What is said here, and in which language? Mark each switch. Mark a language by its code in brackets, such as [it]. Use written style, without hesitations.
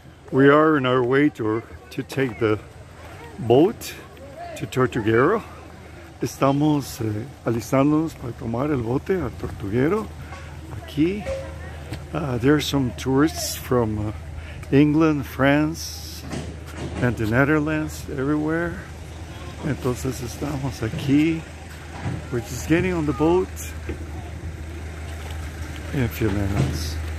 [en] We are on our way to take the boat to Tortuguero. [es] Estamos alistándonos para tomar el bote a Tortuguero. Aquí, [en] there are some tourists from England, France, and the Netherlands everywhere. [es] Entonces estamos aquí. [en] We're just getting on the boat in a few minutes.